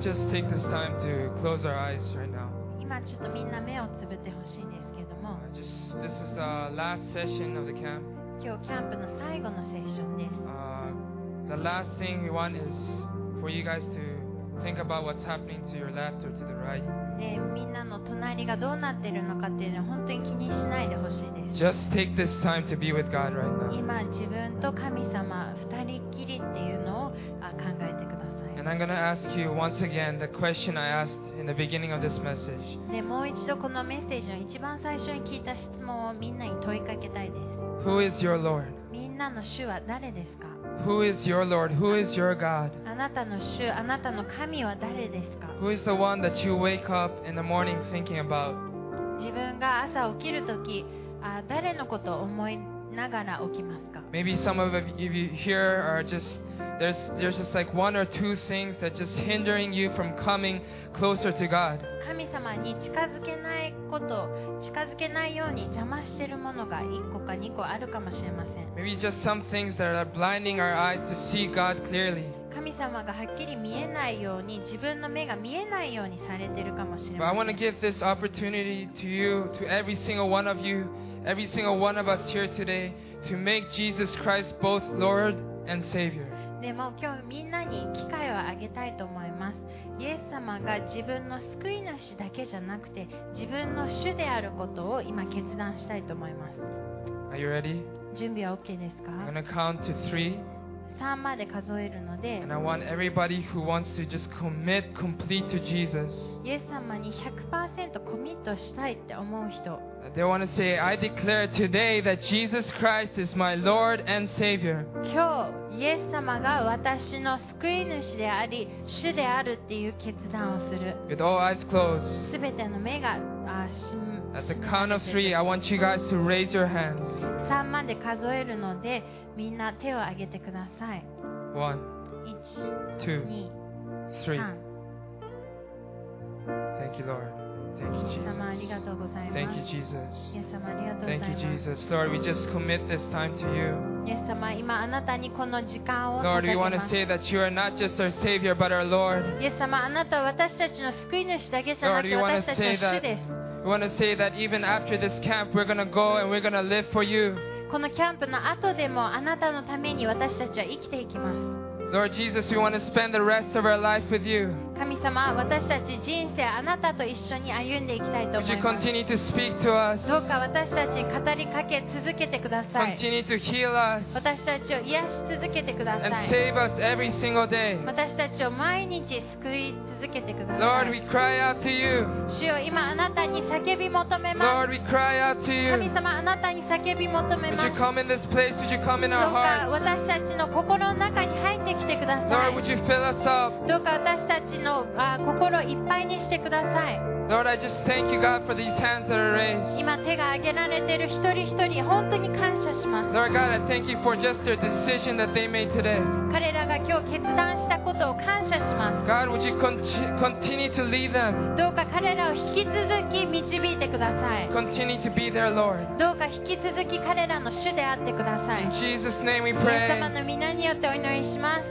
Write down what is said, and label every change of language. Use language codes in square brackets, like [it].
[en] Take this time to close our eyes right now. [ja] 今ちょっとみんな目をつぶってほしいんですけども。 [en] This is the last session of the camp. [ja] 今日キャンプの最後のセッションです。 [en] The last thing we want is for you guys to think about what's happening to your left or to the right. [ja] みんなの隣がどうなってるのかっていうのを本当に気にしないでほしいです。 [en] Just take this time to be with God right now. [ja] 今自分と神様二人きりっていうのを考えてください。 [en] And I'm going to ask you once again the question I asked in the beginning of this message. [ja] で、もう一度このメッセージの一番最初に聞いた質問をみんなに問いかけたいです。 [en] Who is your Lord? [ja] みんなの主は誰ですか? [en] Who is your Lord? Who is your God? [ja] あなたの主、あなたの神は誰ですか? [en] Who is the one that you wake up in the morning thinking about? [ja] 自分が朝起きるとき、誰のことを思いながら起きますか? [en] Maybe some of you here are justThere's just like one or two things that just hindering you from coming closer to God. [ja] 神様に近づけないこと、近づけないように邪魔してるものが一個か二個あるかもしれません。 [en] Maybe just some things that are blinding our eyes to see God clearly. [ja] 神神様がはっきり見えないように自分の目が見えないようにされているかもしれません。 [en] But I want to give this opportunity to you, to every single one of you, every single one of us here today, to make Jesus Christ both Lord and Savior. [ja] でも今日みんなに機会をあげたいと思います。イエス様が自分の救い主だけじゃなくて自分の主であることを今決断したいと思います。 [en] Are you ready? [ja] 準備は OK ですか? [en] I'm going to count to three. [ja] 3まで数えるので、 [en] And I want everybody who wants to just commit complete to Jesus. [ja] イエス様に 100% コミットしたいって思う人、 [en] They want to say, I declare today that Jesus Christ is my Lord and Savior. [ja] 今日、イエス様が私の救い主であり、主であるっていう決断をする。 [en] With all eyes closed. [ja] 全ての目が閉め、 [en] At the count of three, I want you guys to raise your hands. [ja] 3まで数えるので、みんな手を挙げてください。 [en] 1 2 3. Thank you, Lord. Thank you, Jesus. [ja] 様ありがとうございます。 [en] Thank you, Jesus. [ja] イエス様ありがとうございます。 [en] Thank you, Jesus. Lord, we just commit this time to you. [ja] イエス様、今あなたにこの時間を捧げます。 [en] Lord, we want to say that you are not just our Savior, but our Lord. [ja] イエス様、あなたは私たちの救い主だけじゃなくて私たちの主です。 [en] We want to say that even after this camp, we're going to go and we're going to live for you. [ja] このキャンプの後でもあなたのために私たちは生きていきます。 [en] Lord Jesus, we want to spend the rest of our life with you. [ja] 神様、私たち人生あなたと一緒に歩んでいきたいと思います。 [en] Would you continue to speak to us? [ja] どうか私たちに語りかけ続けてください。 [en] Continue to heal us. [ja] 私たちを癒し続けてください。 [en] And save us every single day. [ja] 私たちを毎日救い続けてください。 [en] Lord, we cry out to you. [ja] 主よ、今あなたに叫び求めます。 [en] Lord, we cry out to you. [ja] 神様、あなたに叫び求めます。 [en] Would you come in this place? Would you come in our hearts? [ja] どうか私たちの心の中に入ってきてください。 [en] Lord, would you fill us up? [ja] どうか私たちの心いっぱいにしてください。 [en] Lord, I just thank you, God, for these hands that are raised. [ja] 今手が挙げられている一人一人本当に感謝します。 [en] Lord God, I thank you for just their decision that they made today. [ja] 彼らが今日決断したことを感謝します。 [en] God, would you continue to lead them? [ja] どうか彼らを引き続き導いてください。 [en] Continue to be their Lord. [ja] どうか引き続き彼らの主であってください。 [en] In Jesus' name we pray. [ja] 神様の御名によってお祈りします。